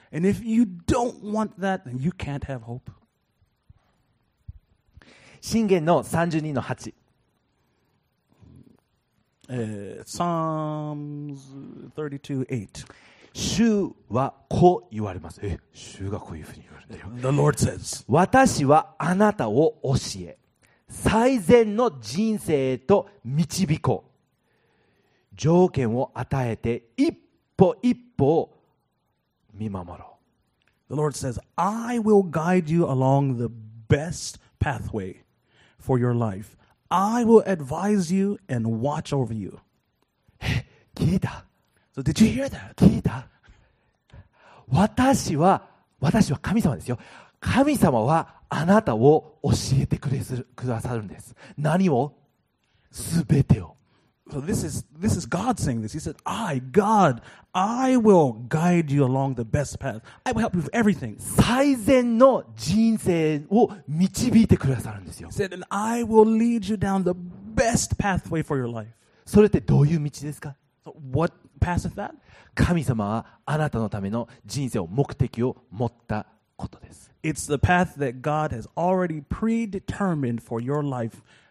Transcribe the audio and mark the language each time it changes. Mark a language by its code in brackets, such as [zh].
[en] And if you don't want that, then you can't have hope. [ja] 箴言の32の8。 [en] Psalms 32:8. [ja] 主はこう言われます。主がこういうふうに言われるんだよ。 [en] The Lord says, [ja] 私はあなたを教え、最善の人生へと導こう。条件を与えて一歩一歩を見守ろう。 [en] The Lord says, I will guide you along the best pathway for your life. I will advise you and watch over you. [ja] 聞いた。 [en] So did you hear that? [ja] 聞いた。私は神様ですよ。神様はあなたを教えてくださるんです。何を？全てを。 [en] So this is God saying this. He said, I, God, I will guide you along the best path. I will help you with everything. [ja] 最善の人生を導いてくださるんですよ。 [en] He said, and I will lead you down the best pathway for your life. [ja] それってどういう道ですか? [en] So what path is that? [ja] 神様はあなたのための人生を目的を持ったことです。 [en] It's the path that God has already predetermined for your life.